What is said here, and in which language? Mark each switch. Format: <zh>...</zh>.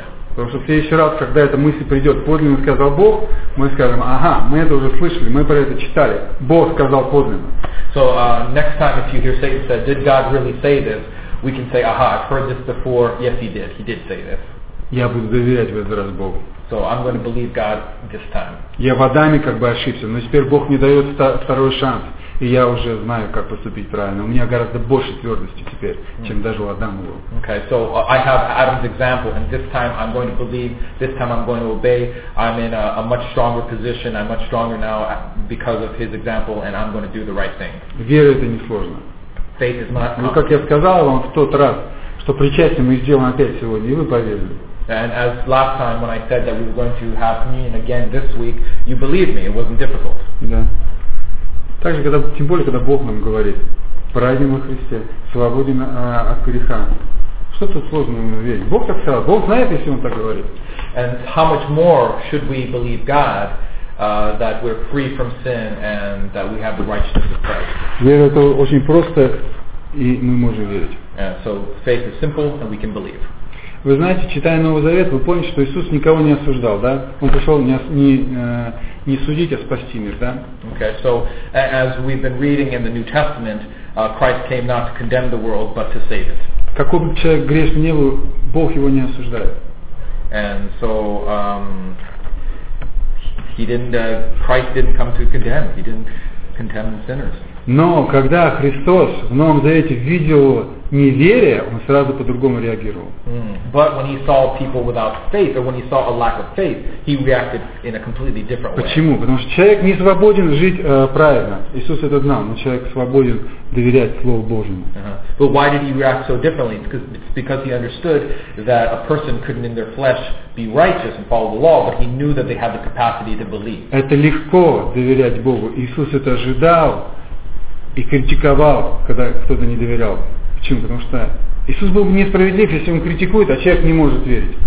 <ru>Потому что в следующий раз, когда эта мысль придет, подлинно сказал Бог, мы скажем, ага, мы это уже слышали, мы про это читали. Бог сказал подлинно.</ru> <en>So next time if you hear Satan say, did God really say this, we can say, aha, I've heard this before, yes he did. He did say this.</en> <ru>Я буду доверять в этот раз Богу.</ru> <en>So I'm going to believe God this time.</en> <ru>Я в Адаме как бы ошибся, но теперь Бог мне дает второй шанс. И я уже знаю, как поступить правильно. У меня гораздо больше твердости теперь, чем даже у Адама было.</ru> <en>Okay, so I have Adam's example, and this time I'm going to believe, this time I'm going to obey. I'm in a much stronger position, I'm much stronger now because of his example, and I'm going to do the right thing.</en> <ru>Вера — это несложно.</ru> <en>Faith is not complicated.</en> <ru>Ну, как я сказал вам в тот раз, что причастие мы сделаем опять сегодня, и вы поверили.</ru> <en>And as last time when I said that we were going to have communion again this week, you believed me, it wasn't difficult.</en> <ru>Да. Также, когда, тем более, когда Бог нам говорит, праведен во Христе, свободен от греха. Что тут сложного верить? Бог так сказал, Бог знает, если Он так говорит.</ru> <en>And how much more should we believe God that we're free from sin and that we have the righteousness of Christ?</en> <ru>Вера — это очень просто, и мы можем верить.</ru> <en>And so faith is simple and we can believe.</en> <ru>Вы знаете, читая Новый Завет, вы помните, что Иисус никого не осуждал, да? Он пришел не судить, а спасти мир, да?</ru> <en>Okay, so as we've been reading in the New Testament, Christ came not to condemn the world, but to save it.</en> <ru>Какой бы человек грешный ни был, Бог его не осуждает.</ru> <en>And so Christ didn't come to condemn. He didn't condemn the sinners.</en> <ru>Но когда Христос в Новом Завете видел неверия, он сразу по-другому реагировал.</ru> <en>But when he saw people without faith, or when he saw a lack of faith, he reacted in a completely different way.</en> <ru>Почему? Потому что человек не свободен жить правильно. Иисус это знал, но человек свободен доверять Слову Божьему.</ru> <en>But why did he react so differently? It's because he understood that a person couldn't in their flesh be righteous and follow the law, but he knew that they had the capacity to believe.</en> <ru>Это легко доверять Богу. Иисус это ожидал и критиковал, когда кто-то не доверял. Почему? Потому что Иисус был бы несправедлив, если он критикует, а человек не может верить.</ru>